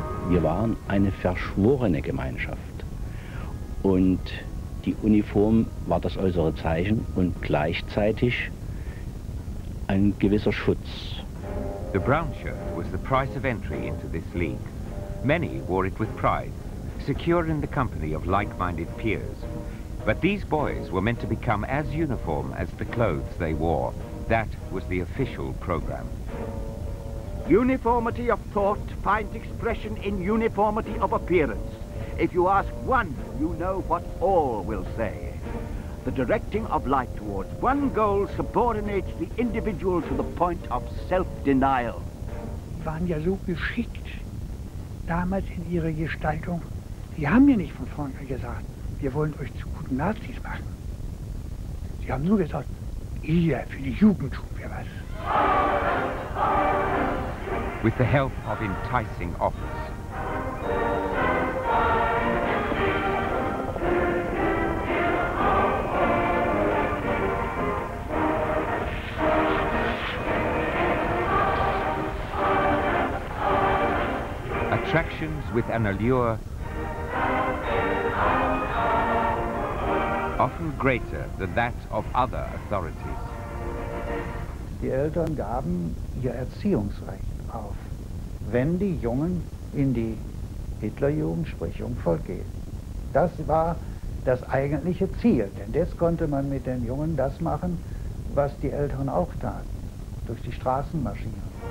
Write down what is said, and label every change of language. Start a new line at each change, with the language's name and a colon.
German: Wir waren eine verschworene Gemeinschaft. Und die Uniform war das äußere Zeichen und gleichzeitig ein gewisser Schutz.
English: The brown shirt was the price of entry into this league. Many wore it with pride, secure in the company of like-minded peers. But these boys were meant to become as uniform as the clothes they wore. That was the official program. Uniformity of thought finds expression in uniformity of appearance. If you ask one, you know what all will say. The directing of life towards one goal subordinates the individual to the point of self-denial.
German: Sie waren ja so geschickt damals in ihrer Gestaltung. Sie haben mir nicht von vornherein gesagt, wir wollen euch zu guten Nazis machen. Sie haben nur gesagt, ihr, für die Jugend tun wir was.
English: With the help of enticing offers. Attractions with an allure often greater than that of other authorities.
German: Die Eltern gaben ihr Erziehungsrecht auf, wenn die Jungen in die Hitlerjugend, sprich Jungvolk, gehen. Das war das eigentliche Ziel, denn jetzt konnte man mit den Jungen das machen, was die Eltern auch taten, durch die Straßen marschieren.